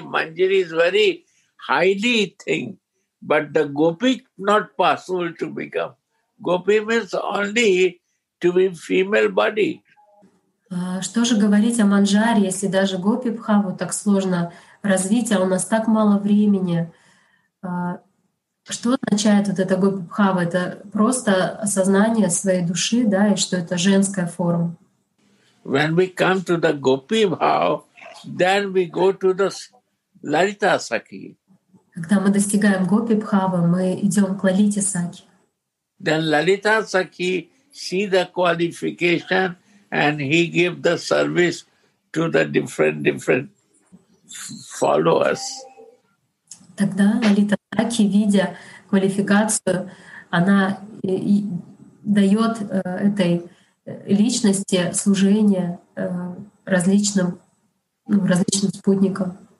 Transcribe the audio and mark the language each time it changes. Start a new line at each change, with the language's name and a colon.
English: Manjari is very highly thing, but the gopi not possible to become. Gopi means only to be female body.
Russian: Что же говорить о манджаре, если даже гопи бхаву так сложно развить, а у нас так мало времени? Что означает вот это гопи бхава? Это просто осознание своей души, да, и что это женская форма.
English: When we come to the gopi bhav, then we go to the lalita sakhi.
Russian: Когда мы достигаем гопи бхавы, мы идем к лалите сакхи.
English: Then Lalita Sakhi see the qualification and he give the service to the different followers.
Russian: Тогда Лалита Сакхи, видя квалификацию, она дает этой личности служение различным спутникам.